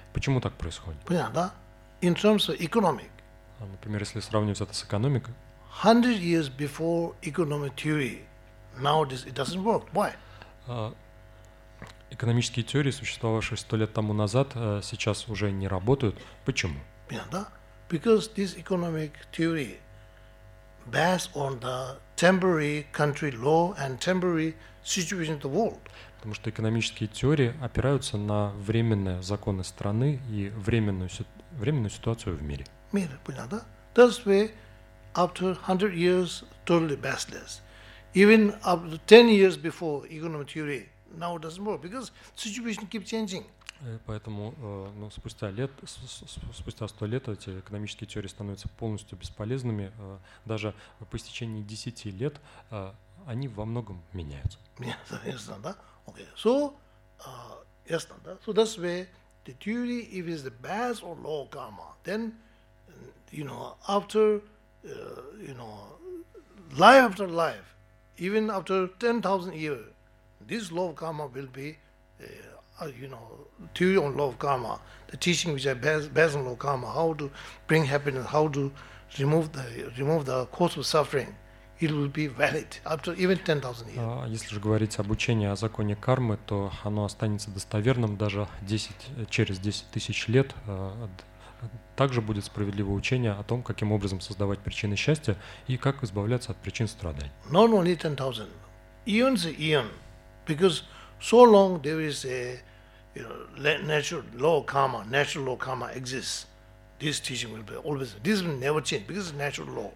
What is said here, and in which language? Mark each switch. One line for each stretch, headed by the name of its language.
Russian: Почему так происходит? Понятно, да?
English: In terms of economic.
Russian: Например, если сравнивать это с экономикой.
English: 100 years before economic theory, now this it doesn't work. Why?
Russian: Экономические теории, существовавшие 100 лет тому назад, сейчас уже не работают. Почему?
English: Yeah,
Russian: да?
English: Because this economic theory based on the temporary country law and temporary situation of the world.
Russian: Потому что экономические теории опираются на временные законы страны и временную ситуацию в мире. Мир, понятно, да?
English: That's why after 100 years, totally baseless. Even up to 10 years before economic theory, now it doesn't work because situation keep changing.
Russian: Поэтому, ну, спустя 100 лет эти экономические теории становятся полностью бесполезными. Даже по истечении 10 лет они во многом меняются.
English: Yes, yes,
Russian: да?
English: Okay. So, yes, да? So that's why the theory, if it's the base or law karma, then, you know, after you know, life after life, even after 10,000 years, this law of karma will be, you know, theory on law of karma, the teaching which are based on law of karma, how to bring happiness, how to remove the cause of suffering. It will be valid after even 10,000 years.
Russian: Если же говорить об учении о законе кармы, то оно останется достоверным даже через 10,000 лет. Также будет справедливое учение о том, каким образом создавать причины счастья и как избавляться от причин страданий.
English: Not only 10,000, eons and eons, because so long there is a, you know, natural law karma exists. This teaching will be always. This will never change because it's natural law.